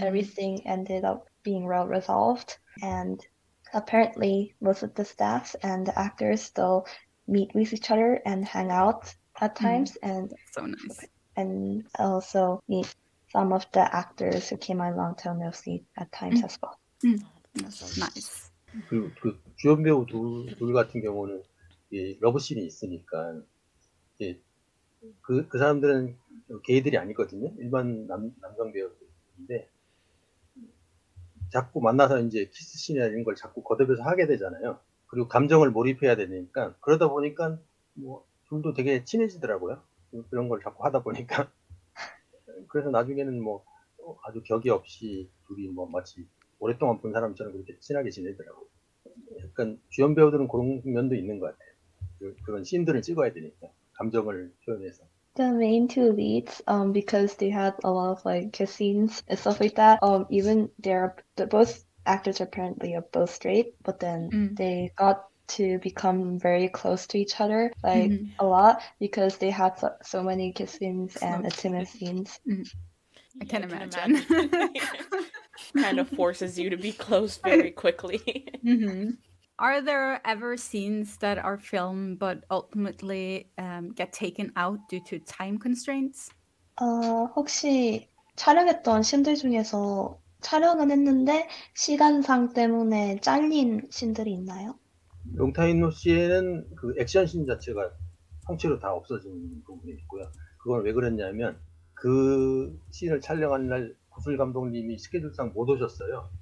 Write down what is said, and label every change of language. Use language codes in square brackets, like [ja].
[en] Everything ended up being well resolved, and apparently most of the staffs and the actors still meet with each other and hang out at times. And so nice. And also meet some of the actors who came on Long Tail No Sleep at times as well. Nice. [ko] 그리고 그 주연 배우 둘 같은 경우는 이 러브씬이 있으니까 그 사람들은 게이들이 아니거든요. 일반 남성 배우들인데 자꾸 만나서 이제 키스씬이나 이런 걸 자꾸 거듭해서 하게 되잖아요. 그리고 감정을 몰입해야 되니까 그러다 보니까 뭐 둘도 되게 친해지더라고요. 그런 걸 자꾸 하다 보니까 그래서 나중에는 뭐 아주 격이 없이 둘이 뭐 마치 오랫동안 본 사람처럼 그렇게 친하게 지내더라고요. 약간 주연 배우들은 그런 면도 있는 것 같아요. 그런 씬들을 찍어야 되니까 감정을 표현해서. [en] The main two leads, because they had a lot of like kiss scenes and stuff like that. Even both actors are apparently both straight, but then they got to become very close to each other, like a lot, because they had so many kiss scenes and intimate scenes. I can imagine. Kind of forces you to be close very quickly. Are there ever scenes that are filmed but ultimately get taken out due to time constraints? [ko] 혹시 촬영했던 신들 중에서 촬영은 했는데 시간상 때문에 잘린 신들이 있나요? 용타인노 씨에는 그 액션 씬 자체가 통째로 다 없어진 부분이 있고요. 그걸 왜 그랬냐면 그 씬을 촬영한 날 구슬 감독님이 스케줄상 못 오셨어요.